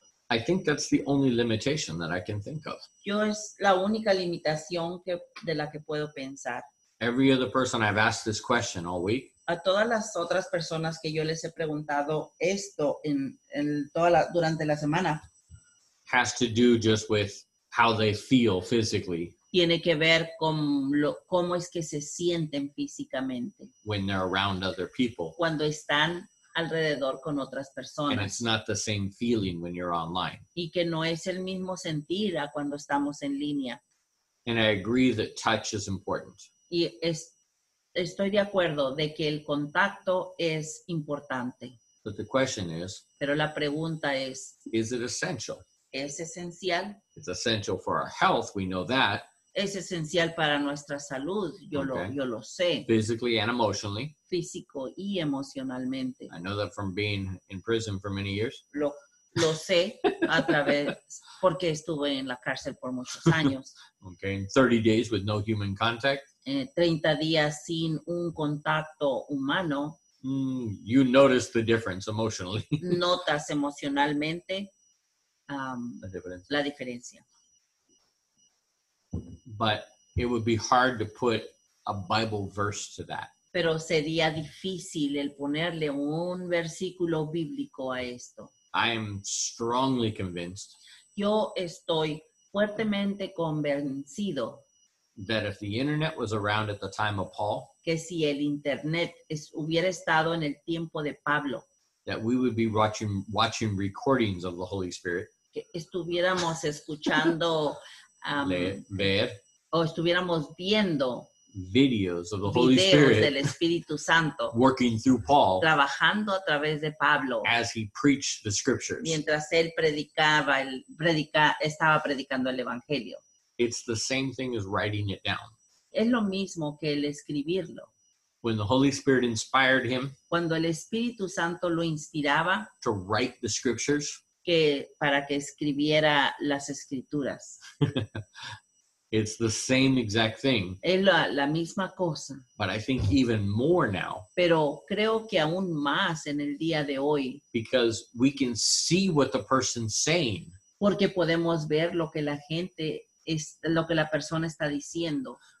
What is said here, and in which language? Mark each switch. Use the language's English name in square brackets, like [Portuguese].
[English] I think that's the only limitation that I can think of. [Spanish] Yo es la única limitación que, de la que puedo pensar. [English] Every other person I've asked this question all week. [Spanish] A todas las otras personas que yo les he preguntado esto durante la semana. [English] Has to do just with how they feel physically. [Spanish] Tiene que ver con cómo es que se sienten físicamente. [English] When they're around other people. [Spanish] Cuando están alrededor con otras personas. [English] And it's not the same feeling when you're online. [Spanish] Y que no es el mismo sentir a cuando estamos en línea. [English] And I agree that touch is important. [Spanish] Y estoy de acuerdo de que el contacto es importante. [English] But the question is. [Spanish] Pero la pregunta es. [English] Is it essential? [Spanish] Es esencial. [English] It's essential for our health, we know that. [Spanish] Es esencial para nuestra salud, yo lo sé. [English] Physically and emotionally. [Spanish] Físico y emocionalmente. [English] I know that from being in prison for many years. [Spanish] Lo sé a través, porque estuve en la cárcel por muchos años. [English] Okay, in 30 days with no human contact. [Spanish] 30 días sin un contacto humano. [English] You notice the difference emotionally. [Spanish] Notas emocionalmente. La diferencia. [English] But it would be hard to put a Bible verse to that. [Spanish] Pero sería difícil el ponerle un versículo bíblico a esto. [English] I am strongly convinced. [Spanish] Yo estoy fuertemente convencido. [English] That if the internet was around at the time of Paul. [Spanish] Que si el internet hubiera estado en el tiempo de Pablo. [English] That we would be watching recordings of the Holy Spirit. [Spanish] Que estuviéramos escuchando. Ver. O estuviéramos viendo. [English] Videos of the Holy Spirit [Spanish] del Espíritu Santo [English] working through Paul [Spanish] trabajando a través de Pablo [English] as he preached the scriptures [Spanish] mientras él predicaba estaba predicando el evangelio. [English] It's the same thing as writing it down. [Spanish] Es lo mismo que el escribirlo. [English] When the Holy Spirit inspired him [Spanish] cuando el Espíritu Santo lo inspiraba [English] to write the scriptures [Spanish] que para que escribiera las escrituras. [English] It's the same exact thing. [Spanish] Es la misma cosa. [English] But I think even more now. [Spanish] Pero creo que aún más en el día de hoy. [English] Because we can see what the person's saying. [Spanish] Porque podemos ver lo que la gente es, lo que la persona está diciendo.